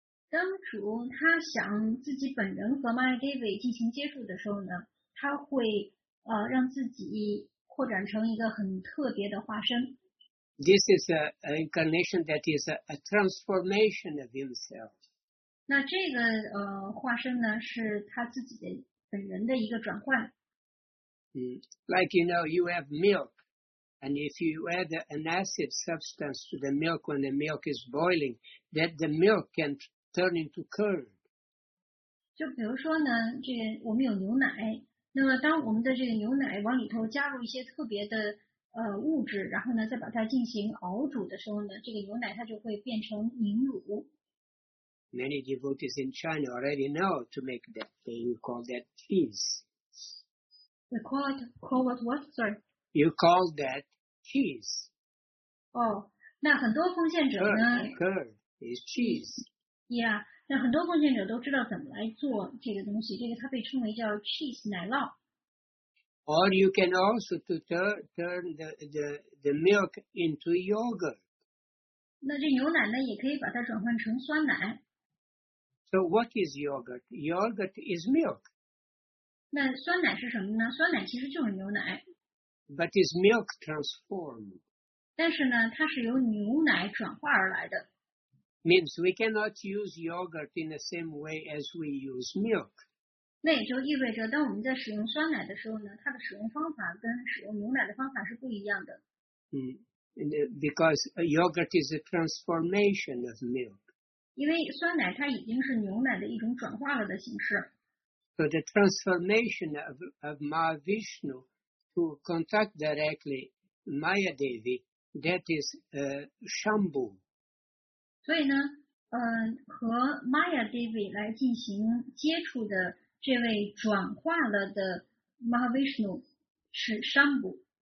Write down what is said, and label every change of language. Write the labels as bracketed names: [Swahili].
[Chinese] 当主他想自己本人和 Maya Devi 进行接触的时候呢，他会让自己扩展成一个很特别的化身。 [English] This is an incarnation that is a transformation of himself. [Chinese] 那这个化身呢，是他自己的。本人的一个转换。 [English] Like you know, you have milk, and if you add an acid substance to the milk when the milk is boiling, that the milk can turn into curd. [Chinese] 就比如说呢，这我们有牛奶，那么当我们的这个牛奶往里头加入一些特别的物质，然后呢再把它进行熬煮的时候呢，这个牛奶它就会变成凝乳。 [English] Many devotees in China already know to make that thing. You call that cheese. We call it what, sir? You call that cheese. [Chinese] Oh, 那很多奉献者呢 [English] curd is cheese. Yeah, [Chinese] 那很多贡献者都知道怎么来做这个东西，这个它被称为叫 cheese 奶酪。 [English] Or you can also to turn the milk into yogurt. [Chinese] 那这牛奶呢，也可以把它转换成酸奶。 [English] So what is yogurt? Yogurt is milk. [Chinese] 那酸奶是什么呢？酸奶其实就是牛奶。 [English] But is milk transformed? [Chinese] 但是呢，它是由牛奶转化而来的。 [English] Means we cannot use yogurt in the same way as we use milk. [Chinese] 那也就意味着，当我们在使用酸奶的时候呢，它的使用方法跟使用牛奶的方法是不一样的。 [English] Because yogurt is a transformation of milk. [Chinese] 因为酸奶它已经是牛奶的一种转化了的形式。 [English] So the transformation of Mahavishnu to contact directly Maya Devi, that is Shambhu. [Chinese] 所以呢，和 Maya Devi 来进行接触的这位转化了的 Mahavishnu 是 Shambhu。